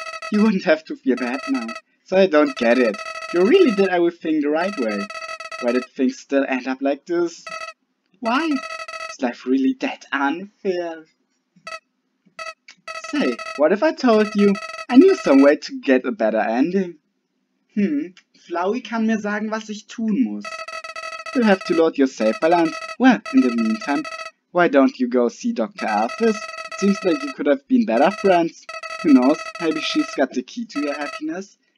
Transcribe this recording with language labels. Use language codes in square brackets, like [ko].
[en] You wouldn't have to feel bad now. So I don't get it. You really did everything the right way. Why did things still end up like this? Why? Is life really that unfair? Say, what if I told you I knew some way to get a better ending? [de] Flowey kann mir sagen, was ich tun muss. [en] You have to load your safe balance. Well, in the meantime, why don't you go see Dr. Alphys? It seems like you could have been better friends. Who knows, maybe she's got the key to your happiness.